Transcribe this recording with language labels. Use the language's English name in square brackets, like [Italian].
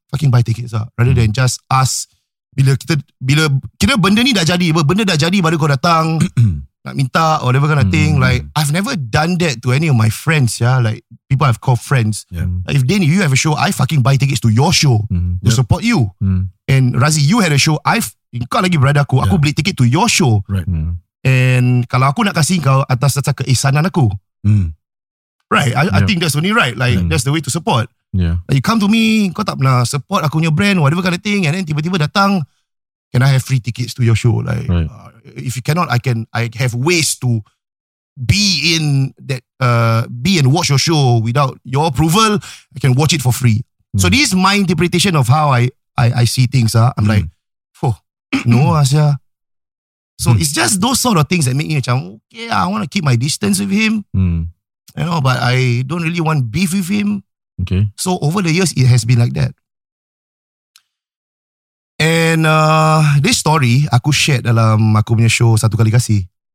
[English] Fucking buy tickets lah. Rather than just us, [Malay] bila kita benda ni dah jadi, benda dah jadi baru kau datang nak minta [English] or whatever kind of thing. Like, I've never done that to any of my friends, yeah. Like, people I've called friends. Yeah. Like, if Danny, you have a show, I fucking buy tickets to your show to support you. And Razi, you had a show, [Malay] kau lagi brother aku, aku beli tiket [English] to your show. [Malay] And kalau aku nak kasih kau atas keihsanan aku. [English] I think that's only right. Like, that's the way to support. Yeah. Like, you come to me, [Malay] kau tak pernah support aku punya brand, [English] whatever kind of thing, and then [Malay] tiba-tiba datang, [English] can I have free tickets to your show? Like, if you cannot, I have ways to be in that, be and watch your show without your approval. I can watch it for free. So this is my interpretation of how I see things. I'm like, oh, no, Asya. So it's just those sort of things that make me like, okay, I want to keep my distance with him. You know, but I don't really want beef with him. Okay. So over the years, it has been like that. And this story, [Malay] aku shared dalam aku punya show Satu Kali Kasih.